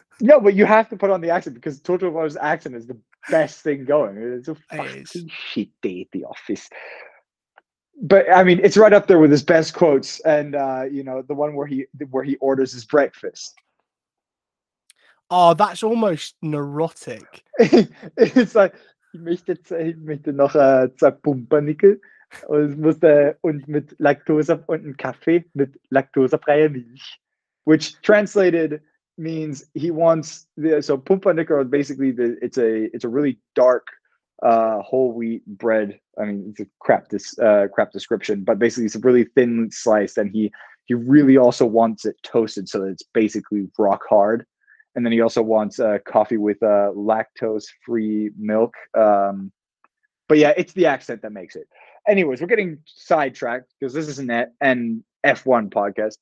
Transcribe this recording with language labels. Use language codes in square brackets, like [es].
[en] No, but you have to put on the accent because Toto Wolff's accent is the best thing going. It's a fucking shit day at the office. But I mean, it's right up there with his best quotes, and you know, the one where he orders his breakfast. Oh, that's almost neurotic. It's like, [de] ich möchte zwei, noch zwei Pumpernickel und mit Laktose und einen Kaffee mit laktosefreier Milch, [en] which translated means he wants the, so Pumpernickel is basically the, it's a really dark whole wheat bread. I mean, it's a crap description, but basically it's a really thin slice, and he really also wants it toasted so that it's basically rock hard. And then he also wants a coffee with a lactose-free milk. But yeah, it's the accent that makes it. Anyways, we're getting sidetracked because this is an F1 podcast.